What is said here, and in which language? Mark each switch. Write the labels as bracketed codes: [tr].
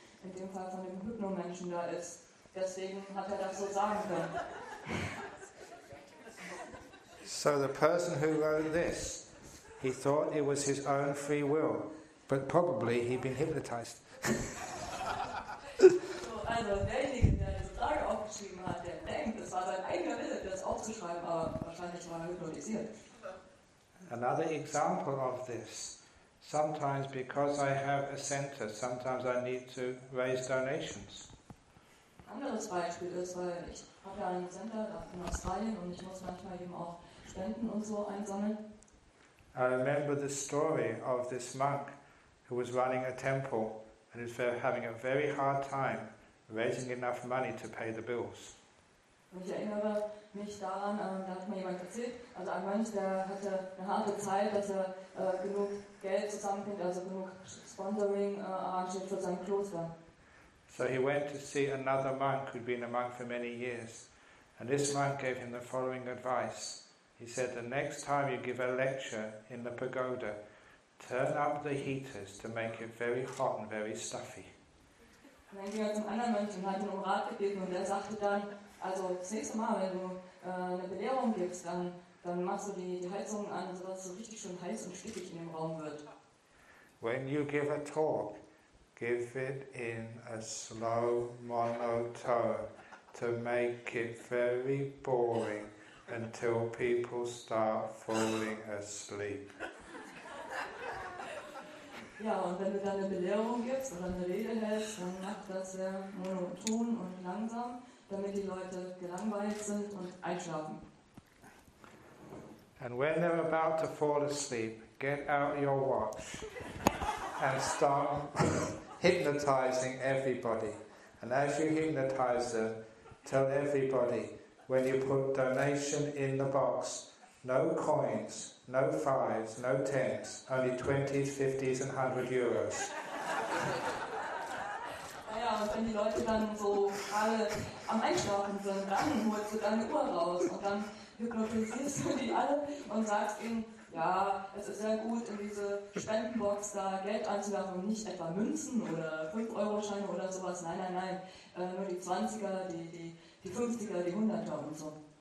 [de] in dem Fall von dem Hypnomenschen da ist. Deswegen hat er das so sagen können. [en] So the person who wrote this, he thought it was his own free will, but probably he'd been hypnotized. [de] So, also derjenige, der diese Frage aufgeschrieben hat, der denkt, es war sein eigener Wille, das aufzuschreiben, aber wahrscheinlich war er hypnotisiert. [en] Another example of this, sometimes because I have a center, sometimes I need to raise donations. [de] Anderes Beispiel ist, weil ich habe ja ein Center in Australien und ich muss manchmal eben auch Spenden und so einsammeln. [en] I remember the story of this monk who was running a temple and is having a very hard time raising enough money to pay the bills. [de] Ich erinnere mich daran, da hat mir jemand erzählt, also ein Mönch, der hatte eine harte Zeit, dass er genug Geld zusammenbringt, also genug Sponsoring arrangiert für sein Kloster. [en] So he went to see another monk who'd been a monk for many years, and this monk gave him the following advice. He said, the next time you give a lecture in the pagoda, turn up the heaters to make it very hot and very stuffy. [de] Und dann ging er zum anderen Mönch und hat ihn um Rat gebeten und der sagte dann, also das nächste Mal, wenn du eine Belehrung gibst, dann machst du die Heizung an, sodass es richtig schön heiß und stickig in dem Raum wird. [en] When you give a talk, give it in a slow monotone to make it very boring. Until people start falling asleep. [de] Ja, und wenn du dann eine Belehrung gibst oder eine Rede hältst, dann mach das sehr monoton und langsam, damit die Leute gelangweilt sind und einschlafen. [en] And when they're about to fall asleep, get out your watch and start hypnotizing everybody. And as you hypnotize them, tell everybody, when you put donation in the box, no coins, no fives, no tens, only 20s, 50s and 100 euros. [de] Naja, und wenn die Leute dann so gerade am Einschlafen sind, dann holst du deine Uhr raus und dann hypnotisierst du die alle und sagst ihnen, ja, es ist sehr gut, in diese Spendenbox da Geld einzuwerfen und nicht etwa Münzen oder 5-Euro-Scheine oder sowas, nein, nur die 20er, die 50er, die 100er und so.